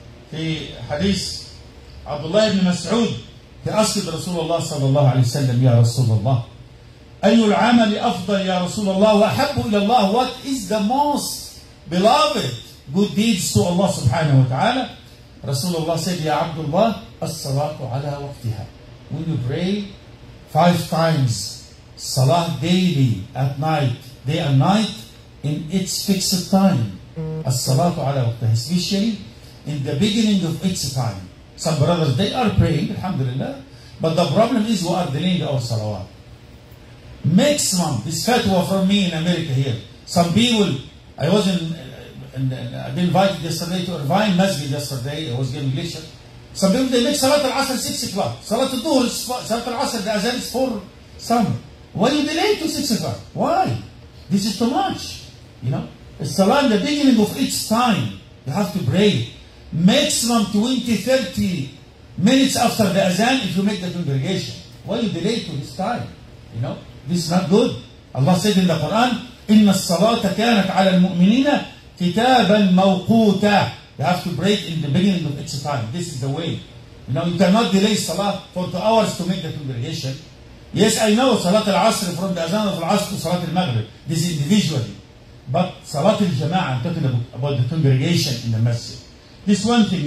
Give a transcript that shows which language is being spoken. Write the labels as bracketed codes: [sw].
[en] The hadith, Abdullah ibn Mas'ud, he asked [ar] Rasulullah sallallahu alayhi wa sallam, Ya Rasulullah, أي العمل أفضل يا رسول الله وأحب إلى الله. [en] What is the most beloved good deeds to Allah [ar] سبحانه وتعالى. رسول الله said يا عبد الله الصلاة على وقتها. [en] When you pray five times صلاة daily at night day and night in its fixed time. [ar] الصلاة على وقتها [en] especially in the beginning of its time. Some brothers they are praying [ar] الحمد لله [en] but the problem is we are delaying our salawat. Maximum, this fatwa from me in America here. Some people, I was I've been invited yesterday to Irvine Masjid yesterday, I was giving lecture. Some people, they make Salat al-Asr 6 o'clock. Salat al-Duhr, Salat al-Asr, the Azan is 4 some. Why you delay to 6 o'clock? Why? This is too much. You know, it's Salat in the beginning of each time. You have to pray. Maximum 20, 30 minutes after the Azan if you make the congregation. Why you delay to this time? You know? This is not good. Allah said in the Quran, [ar] إِنَّ الصَّلَاةَ كَانَتْ عَلَى الْمُؤْمِنِينَ كِتَابًا مَوْقُوتًا. [en] You have to break in the beginning of its time. This is the way. You know, you cannot delay Salah for 2 hours to make the congregation. Yes, I know Salat al-Asr from the Azan of al-Asr to Salat al-Maghrib. This is individually. But Salat al-Jama'ah, I'm talking about the congregation in the Masjid. This one thing.